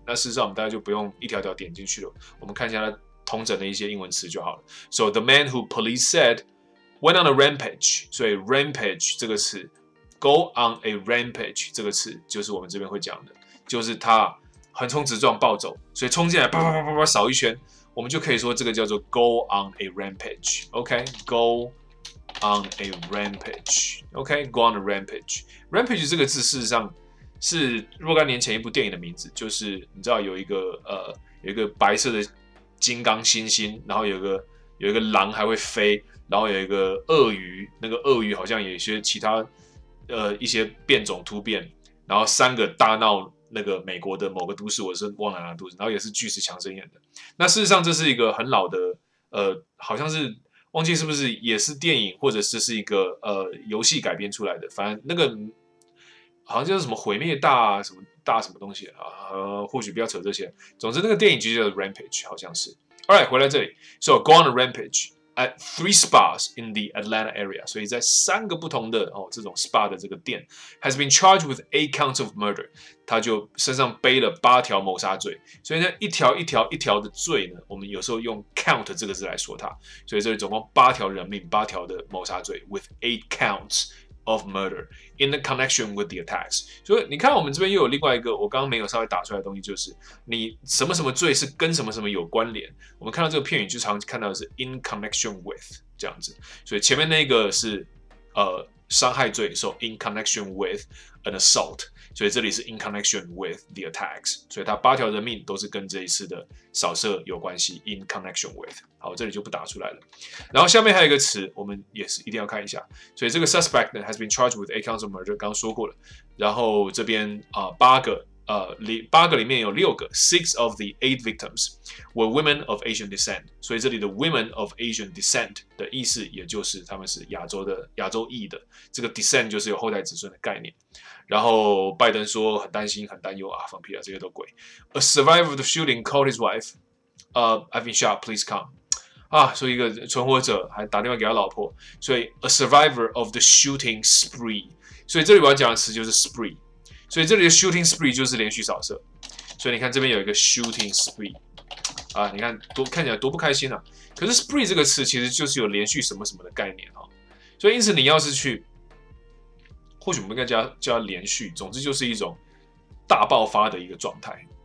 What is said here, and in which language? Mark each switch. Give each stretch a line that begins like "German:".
Chinese: 那事实上我们大家就不用一条条点进去了，我们看一下它统整的一些英文词就好了。
English: So the man who police said went on a rampage，
Chinese: 所以 rampage 这个词 ，
English: go on a rampage
Chinese: 这个词就是我们这边会讲的，就是他横冲直撞暴走，所以冲进来啪啪啪啪啪扫一圈。我们就可以说这个叫做
English: go on a rampage，
Chinese: OK， go on a rampage， OK， go on a rampage。 rampage 这个字事实上是若干年前一部电影的名字，就是你知道有一个白色的金刚猩猩，然后有一个狼还会飞，然后有一个鳄鱼，那个鳄鱼好像有一些其他一些变种突变，然后三个大闹那个美国的某个都市，我是忘了哪个都市，然后也是巨石强森演的。那事实上这是一个很老的好像是忘记是不是也是电影，或者这是一个游戏改编出来的，反正那个好像叫什么毁灭大什么大什么东西或许不要扯这些，总之那个电影就叫 Rampage 好像是。
English: Alright，
Chinese: 回来这里。
English: So go on a rampage at three spas in the Atlanta area，
Chinese: 所以在三个不同的这种 spa 的这个店
English: has been charged with 8 counts of murder，
Chinese: 他就身上背了八条谋杀罪。所以呢一条一条一条的罪呢，我们有时候用 count 这个字来说它，所以这里总共八条人命，八条的谋杀罪
English: with 8 counts of murder in the connection with the attacks。
Chinese: 所以你看我们这边又有另外一个我刚刚没有稍微打出来的东西，就是你什么什么罪是跟什么什么有关联，我们看到这个片语就常看到的是
English: in connection with
Chinese: 这样子。所以前面那个是伤害罪，
English: so in connection with an assault，
Chinese: 所以这里是
English: in connection with the attacks，
Chinese: 所以他八条人命都是跟这一次的扫射有关系， in connection with。好，这里就不打出来了。然后下面还有一个词我们也是一定要看一下，所以这个
English: suspect has been charged with 8 counts of murder，
Chinese: 刚刚说过了。然后这边八个八个里面有六个
English: ，six of the eight victims were women of Asian descent。
Chinese: 所以这里的
English: women of Asian descent
Chinese: 的意思，也就是他们是亚洲的亚洲裔的。这个 descent 就是有后代子孙的概念。然后拜登说很担心、很担忧啊，放屁啊，这些都鬼。
English: A survivor of the shooting called his wife, "I've been shot, please come."
Chinese: 啊，所以一个存活者还打电话给他老婆。所以
English: a survivor of the shooting spree。
Chinese: 所以这里我要讲的词就是 spree。所以这里的 shooting spree 就是连续扫射，所以你看这边有一个 shooting spree， 啊，你看多看起来多不开心啊！可是 spree 这个词其实就是有连续什么什么的概念哈，所以因此你要是去，或许我们应该叫连续，总之就是一种大爆发的一个状态。